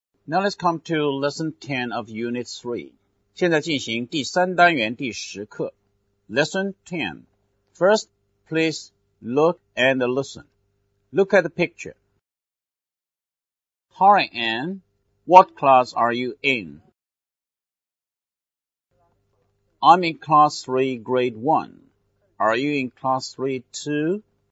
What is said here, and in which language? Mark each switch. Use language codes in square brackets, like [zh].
[en] Now let's come to lesson 10 of unit 3. [zh] 现在进行第三单元第十课。 [en] Lesson 10. First, please look and listen. Look at the picture. Hi, Anne. What class are you in? I'm in class 3, grade 1. Are you in class 3, too?